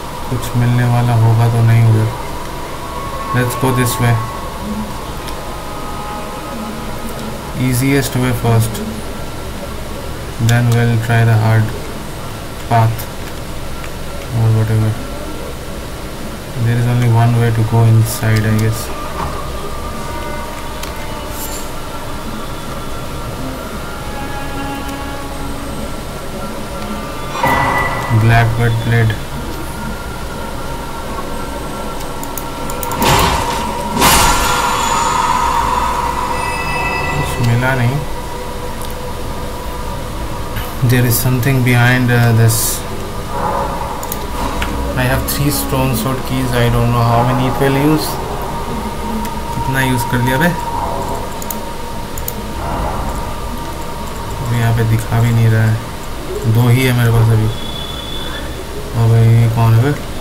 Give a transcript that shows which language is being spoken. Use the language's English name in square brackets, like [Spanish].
[Hindi] कुछ मिलने वाला होगा तो नहीं उधर [English] Let's go this way easiest way first then we will try the hard path Or whatever. There is only one way to go inside, I guess. Black bird blade. [Hindi] कुछ मिला नहीं. [English] There is something behind this. I have 3 stone sword keys. I don't know how many it will use. [Hindi] कितना use कर लिया बे? अभी यहाँ पे दिखा भी नहीं रहा है. दो ही है मेरे पास अभी. और भाई ये कौन है बे?